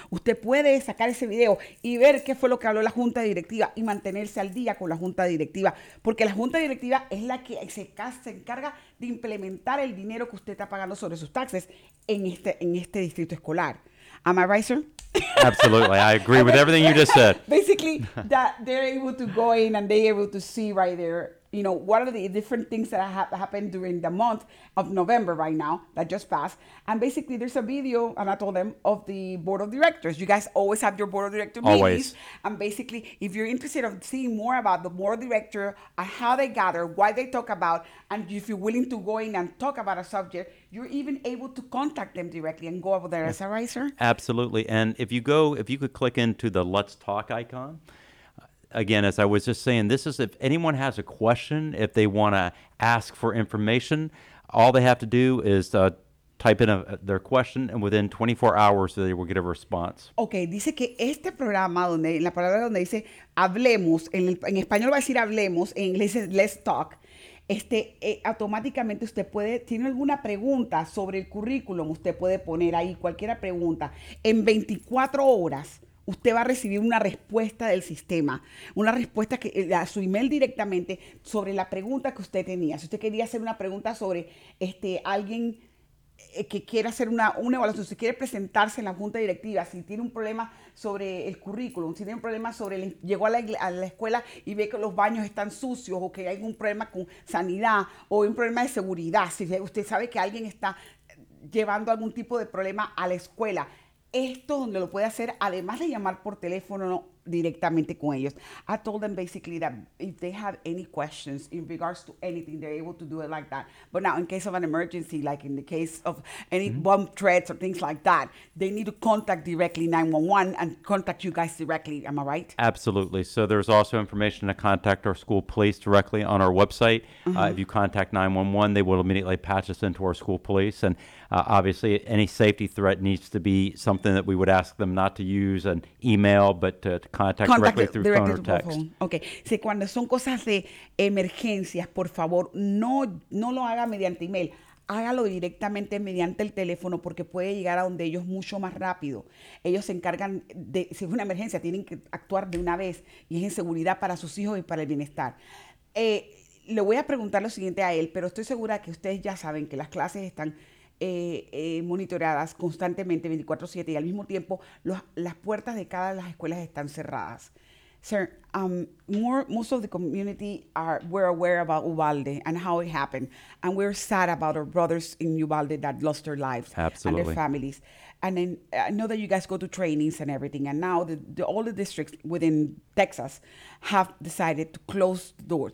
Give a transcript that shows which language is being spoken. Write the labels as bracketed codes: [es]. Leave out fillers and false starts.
[es] Usted puede sacar ese video y ver qué fue lo que habló la Junta Directiva y mantenerse al día con la Junta Directiva, porque la Junta Directiva es la que se encarga de implementar el dinero que usted está pagando sobre sus taxes en este distrito escolar. [en] Am I right, sir? Absolutely. I agree with everything you just said. Basically, that they're able to go in and they're able to see right there, you know, what are the different things that have happened during the month of November right now that just passed. And basically, there's a video, and I told them, of the board of directors. You guys always have your board of directors meetings. And basically, if you're interested in seeing more about the board of directors, how they gather, what they talk about, and if you're willing to go in and talk about a subject, you're even able to contact them directly and go over there. Yes. Is that right, sir? Absolutely. And if you could click into the Let's Talk icon, again, as I was just saying, this is if anyone has a question, if they want to ask for information, all they have to do is type in their question, and within 24 hours, they will get a response. [es] Okay, dice que este programa, donde en la palabra donde dice hablemos, en español va a decir hablemos, en inglés es [en] let's talk, [es] automáticamente usted puede, tiene alguna pregunta sobre el currículum, usted puede poner ahí cualquier pregunta, en 24 horas, usted va a recibir una respuesta del sistema, una respuesta que a su email directamente sobre la pregunta que usted tenía. Si usted quería hacer una pregunta sobre alguien que quiera hacer una evaluación, si quiere presentarse en la junta directiva, si tiene un problema sobre el currículum, si tiene un problema sobre, llegó a la escuela y ve que los baños están sucios o que hay algún problema con sanidad o un problema de seguridad, si usted sabe que alguien está llevando algún tipo de problema a la escuela, esto es donde lo puede hacer, además de llamar por teléfono directamente con ellos. [en] I told them basically that if they have any questions in regards to anything, they're able to do it like that. But now, in case of an emergency, like in the case of any mm-hmm. bomb threats or things like that, they need to contact directly 911 and contact you guys directly. Am I right? Absolutely. So there's also information to contact our school police directly on our website. Mm-hmm. If you contact 911, they will immediately patch us into our school police. And obviously, any safety threat needs to be something that we would ask them not to use an email, but to contact directly through phone or text. Okay. [es] Si cuando son cosas de emergencias, por favor, no lo haga mediante email. Hágalo directamente mediante el teléfono porque puede llegar a donde ellos mucho más rápido. Ellos se encargan de, si es una emergencia, tienen que actuar de una vez y es en seguridad para sus hijos y para el bienestar. Le voy a preguntar lo siguiente a él, pero estoy segura que ustedes ya saben que las clases están monitoreadas constantemente 24/7 y al mismo tiempo las puertas de cada de las escuelas están cerradas. [en] Sir, most of the community were aware about Uvalde and how it happened, and we're sad about our brothers in Uvalde that lost their lives. Absolutely. And their families. And then I know that you guys go to trainings and everything, and now all the districts within Texas have decided to close the doors.